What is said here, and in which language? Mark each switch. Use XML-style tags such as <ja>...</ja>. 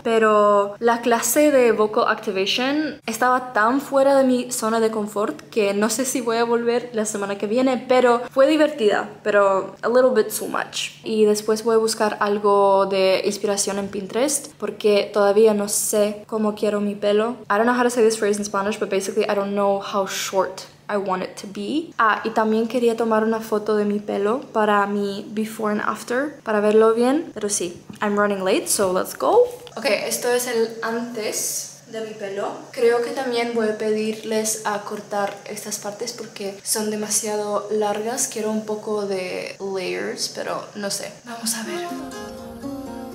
<es>Pero la clase de vocal activation estaba tan fuera de mi zona de confort que no sé si voy a volver la semana que viene, pero fue divertida, pero</es> <en>a little bit too much.</en> <es>Y después voy a buscar algo de inspiración en Pinterest porque todavía no sé cómo quiero mi pelo.</es> <en>I don't know how to say this phrase in Spanish, but basically I don't know how short I want it to be.</en> <es>Ah, y también quería tomar una foto de mi pelo para mi</es> <en>before and after,</en> <es>para verlo bien. Pero sí,</es> <en>I'm running late, so let's go.</en> <es>Okay, esto es el antes de mi pelo. Creo que también voy a pedirles a cortar estas partes porque son demasiado largas. Quiero un poco de layers, pero no sé. Vamos a ver.</es>